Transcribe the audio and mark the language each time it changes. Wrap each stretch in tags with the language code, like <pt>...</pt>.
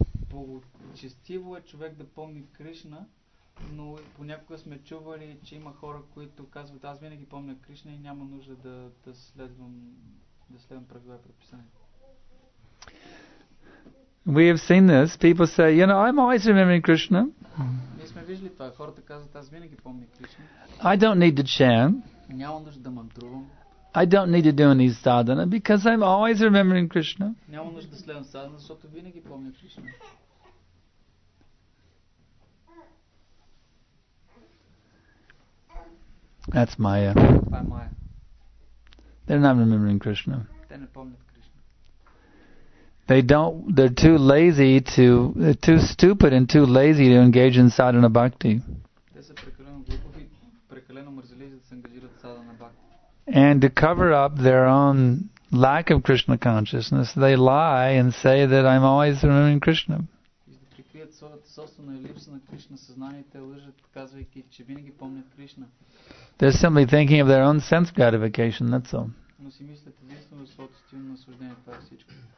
<bg>Благочестиво е човек да помни Кришна, но понякога сме чували, че има хора, които казват, аз винаги помня Кришна и няма нужда да следвам правила и предписания.</bg> <en>We have seen this. People say, you know, I'm always remembering Krishna.</en> <bg>Ние сме виждали това. Хората казват, аз винаги помня Кришна.</bg> <en>I don't need to chant.</en> <bg>Няма нужда да мантрувам.</bg> <en>I don't need to do any sadhana because I'm always remembering Krishna.</en> <bg>Няма нужда да следвам sadhana, защото винаги помня Кришна.</bg> <en>That's Maya.</en> <bg>Това е Maya.</bg> <en>They're not remembering Krishna.</en> <bg>Те не помнят Кришна.</bg> <en>They don't. They're too lazy to. They're too stupid and too lazy to engage in sadhana bhakti.</en> <bg>Те са прекалено глупави, прекалено мързеливи да се ангажират в sadhana bhakti.</bg> <en>And to cover up their own lack of Krishna consciousness, they lie and say that I'm always remembering Krishna.</en> <bg>И да прикрият собствена липса на Кришна съзнание, те лъжат, казвайки, че винаги помнят Кришна.</bg> <en>They're simply thinking of their own sense gratification, that's all.</en> <bg>Но си мислят единствено за своето стилно наслаждение, това е всичко.</bg>